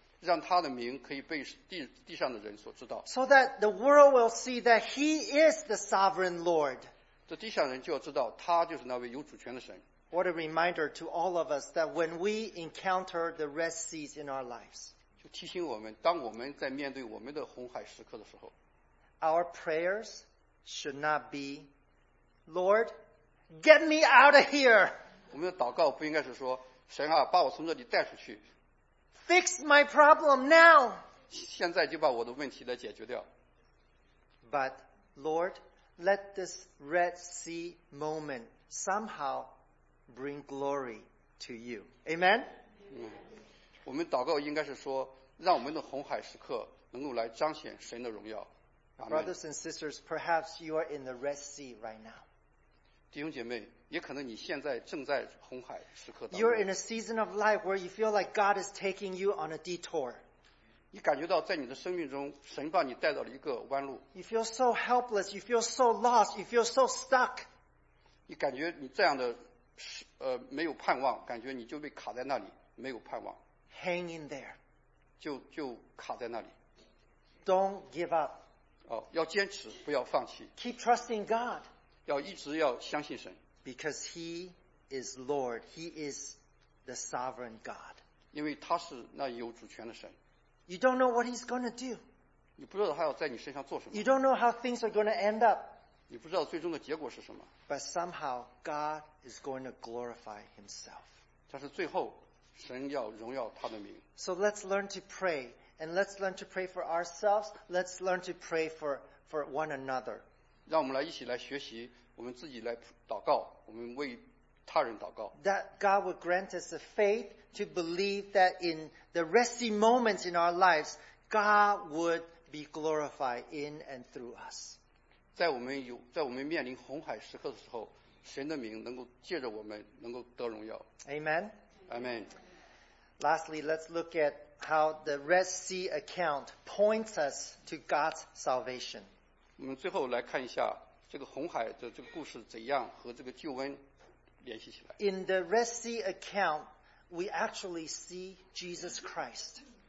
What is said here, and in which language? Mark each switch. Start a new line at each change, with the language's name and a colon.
Chinese: 让他的名可以被 地上的人所知道。
English: So that the world will see that He is the sovereign Lord.
Chinese: 这地上人就要知道他就是那位有主权的神。
English: What a reminder to all of us that when we encounter the Red Seas in our lives,
Chinese: 就提醒我们当我们在面对我们的红海时刻的时候，
English: our prayers should not be, Lord, get me out of here.
Chinese: 我们的祷告不应该是说神啊把我从这里带出去。
English: Fix my problem now.
Chinese: 现在就把我的问题来解决掉。
English: But, Lord,Let this Red Sea moment somehow bring glory to you. Amen?
Chinese: 我们祷告应该是说让我们的红海时刻能够来彰显神的荣耀。
English: Brothers and sisters, perhaps you are in the Red Sea right now.
Chinese: 弟兄姐妹也可能你现在正在红海时刻当中。
English: You are in a season of life where you feel like God is taking you on a detour.
Chinese: 你感觉到在你的生命中神把你带到了一个弯路。
English: You feel so helpless, you feel so lost, you feel so stuck.
Chinese: 你感觉你这样的没有盼望，感觉你就被卡在那里，没有盼望。
English: Hang in there.
Chinese: 就卡在那里。
English: Don't give up.
Chinese: 哦，要坚持，不要放弃。
English: Keep trusting God.
Chinese: 要一直要相信神。
English: Because He is Lord, He is the sovereign God.
Chinese: 因为他是那有主权的神。
English: You don't know what he's going to do.
Chinese: 你不知道他要在你身上做什么。
English: You don't know how things are going to end up.
Chinese: 你不知道最终的结果是什么。
English: But somehow God is going to glorify himself.
Chinese: 但是最后神要荣耀他的名。
English: So let's learn to pray. And let's learn to pray for ourselves. Let's learn to pray for one another.
Chinese: 让我们来一起来学习我们自己来祷告我们为他人祷告。
English: That God would grant us the faith to believe that in the resty moments in our lives, God would be glorified in and through us.
Chinese: 在我们面临红海时刻的时候，神的名能够借着我们能够得荣耀。
English: Amen. Amen. Lastly, let's look at how the Red Sea account points us to God's salvation.
Chinese: 我们最后来看一下这个红海的这个故事怎样和这个救恩。
English: In the Red Sea account, we actually see Jesus Christ.